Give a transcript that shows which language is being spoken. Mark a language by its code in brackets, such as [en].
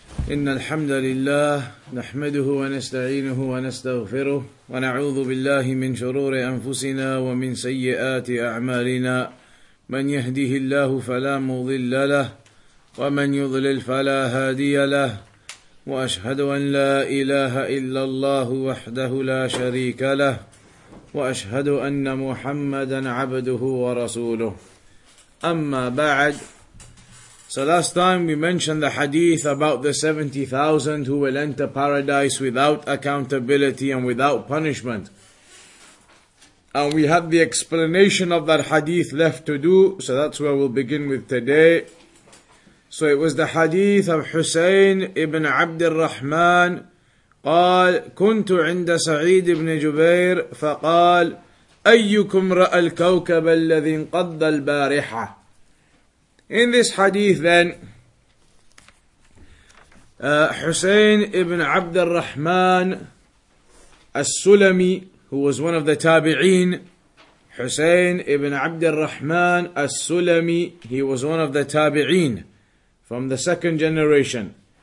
[ar] إن الحمد لله نحمده ونستعينه ونستغفره ونعوذ بالله من شرور أنفسنا ومن سيئات أعمالنا من يهده الله فلا مضل له ومن يضلل فلا هادي له وأشهد أن لا إله إلا الله وحده لا شريك له وأشهد أن محمدا عبده ورسوله أما بعد. [en] So last time we mentioned the hadith about the 70,000 who will enter paradise without accountability and without punishment. And we have the explanation of that hadith left to do, so that's where we'll begin with today. So it was the hadith of Hussein ibn Abd al-Rahman. [ar] قال كنت عند سعيد بن جبير فقال أيكم رأى الكوكب الذي انقض البارحة. [en] In this hadith then, Hussein ibn Abd al-Rahman al-Sulami, who was one of the Tabi'een, Hussein ibn Abd al-Rahman al-Sulami, he was one of the Tabi'een from the second generation.